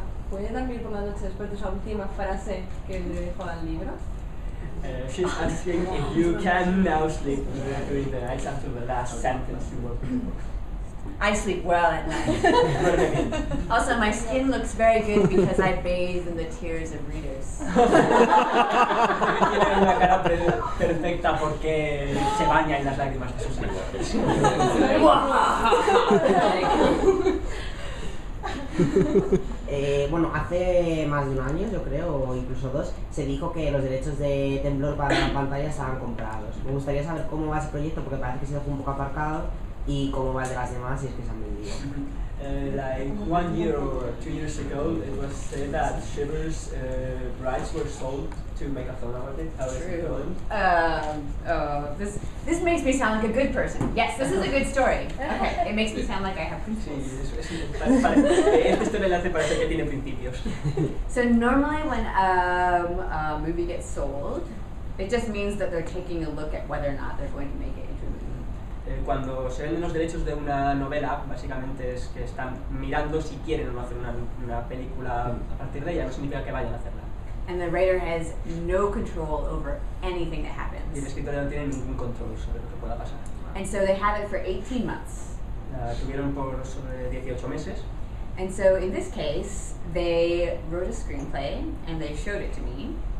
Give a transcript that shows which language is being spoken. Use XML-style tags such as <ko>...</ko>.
<es>¿Puede dormir por la noche después de esa última frase que le dejó al libro?</es> <en>She's asking if you can now sleep during the night after the last sentence you wrote in the book. I sleep well at night. Also, my skin looks very good because I bathe in the tears of readers.</en> <es>Tiene una cara perfecta porque se baña en las lágrimas de sus lectores. Bueno, hace más de un año, yo creo, o incluso dos, se dijo que los derechos de Temblor para la pantalla estaban comprados. Me gustaría saber cómo va ese proyecto porque parece que se dejó un poco aparcado. y cómo va de las demás y es que se han vendido.</es> <en>Like 1 year or 2 years ago, it was said that Shivers rights were sold to Megathon about it. How is true. It going? This makes me sound like a good person. Yes, this is a good story. Okay, it makes me sound like I have principles.</en> <es>Este enlace parece que tiene principios.</es> <en>So normally, when a movie gets sold, it just means that they're taking a look at whether or not they're going to make it.</en> <es>Cuando se venden los derechos de una novela, básicamente es que están mirando si quieren o no hacer una película a partir de ella, no significa que vayan a hacerla.</es> <en>And the writer has no control over anything that happens.</en> <es>Y el escritor no tiene ningún control sobre lo que pueda pasar.</es> <en>And so they have it for 18 months.</en> <es>La tuvieron por sobre 18 meses.</es> <en>And so in this case, they wrote a screenplay and they showed it to me.</en>